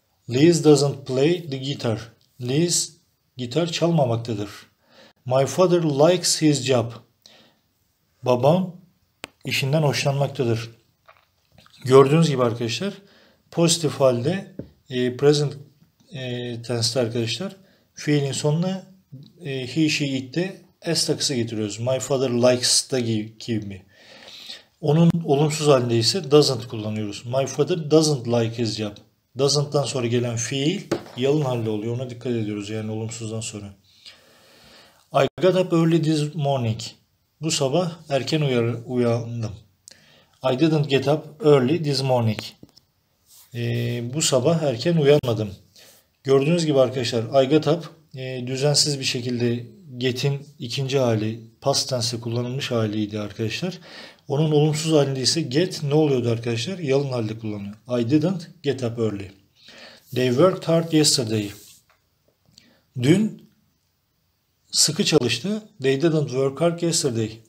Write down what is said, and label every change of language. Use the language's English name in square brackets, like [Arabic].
[English] Liz doesn't play the guitar. [Turkish] Liz gitar çalmamaktadır. [English] My father likes his job. [Turkish] Babam işinden hoşlanmaktadır. Gördüğünüz gibi arkadaşlar pozitif halde present tense'de arkadaşlar fiilin sonuna he, she, it'te s takısı getiriyoruz. [English] My father likes the gibi. [Turkish] Onun olumsuz halinde ise doesn't kullanıyoruz. [English] My father doesn't like his job. [Turkish] Doesn't'tan sonra gelen fiil yalın halde oluyor. Ona dikkat ediyoruz yani olumsuzdan sonra. [English] I got up early this morning. [Turkish] Bu sabah erken uyandım. [English] I didn't get up early this morning. [Turkish] Bu sabah erken uyanmadım. Gördüğünüz gibi arkadaşlar I got up düzensiz bir şekilde get'in ikinci hali past tense kullanılmış haliydi arkadaşlar. Onun olumsuz halinde ise get ne oluyordu arkadaşlar? Yalın halde kullanılıyor. [English] I didn't get up early. They worked hard yesterday. [Turkish] Dün sıkı çalıştı. [English] They didn't work hard yesterday.